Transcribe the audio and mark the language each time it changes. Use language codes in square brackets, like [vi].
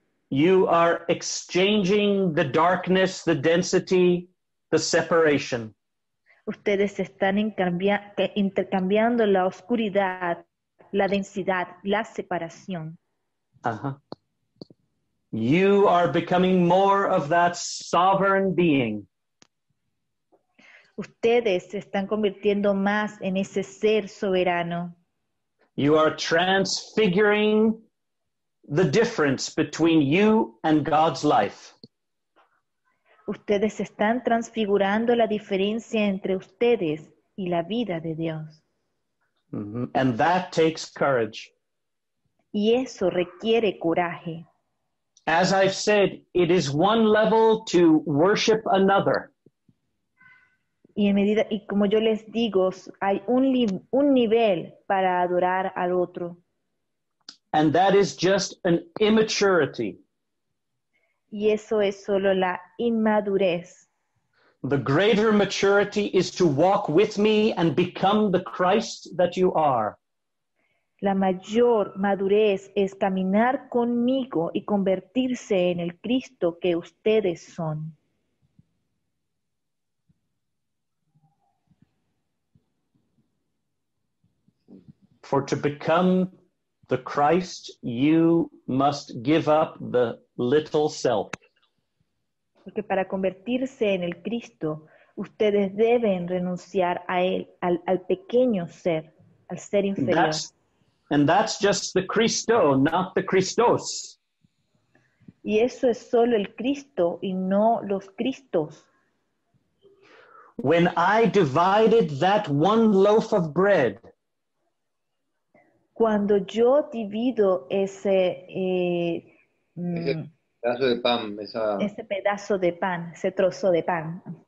[en] You are exchanging the darkness, the density, the separation. [es] Ustedes están intercambiando la oscuridad, la densidad, la separación. [en] You are becoming more of that sovereign being. [es] Ustedes se están convirtiendo más en ese ser soberano. [en] You are transfiguring the difference between you and God's life. [es] Ustedes están transfigurando la diferencia entre ustedes y la vida de Dios. [en] And that takes courage. [es] Y eso requiere coraje. [en] As I've said, it is one level to worship another. [es] Y en medida, y como yo les digo, hay un nivel para adorar al otro. [en] And that is just an immaturity. [es] Y eso es solo la inmadurez. [en] The greater maturity is to walk with me and become the Christ that you are. [es] La mayor madurez es caminar conmigo y convertirse en el Cristo que ustedes son. [en] For to become the Christ, you must give up the little self. [es] Porque para convertirse en el Cristo, ustedes deben renunciar a él, al pequeño ser, al ser inferior. [en] And that's just the Cristo, not the Christos. [es] Y eso es solo el Cristo y no los Cristos. [en] When I divided that one loaf of bread, [es] cuando yo divido ese ese pedazo de pan, ese trozo de pan.